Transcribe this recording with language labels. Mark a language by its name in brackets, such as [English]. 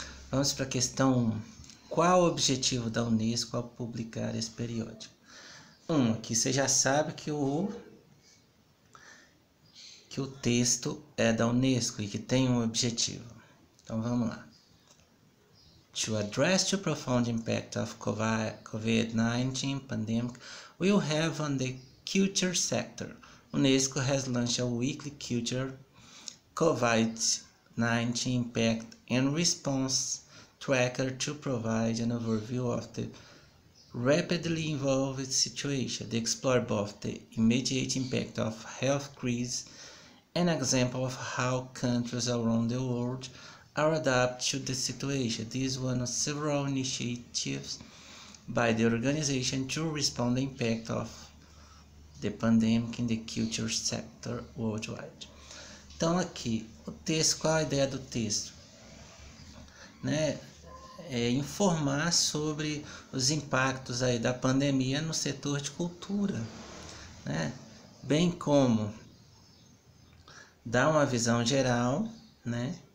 [Portuguese] Vamos para a questão 1. Qual o objetivo da Unesco ao publicar esse periódico? Aqui você já sabe que o texto é da Unesco e que tem um objetivo. Então vamos lá. [English] To address the profound impact of COVID-19 pandemic will have on the culture sector. UNESCO has launched a weekly culture COVID-19 impact and response tracker to provide an overview of the rapidly evolving situation, to explore both the immediate impact of health crisis and example of how countries around the world are adapted to the situation. This is one of several initiatives by the organization to respond the impact of the pandemic in the culture sector worldwide. [Portuguese] Então aqui, o texto, qual a ideia do texto? Né? É informar sobre os impactos aí da pandemia no setor de cultura, né? Bem como dar uma visão geral, né?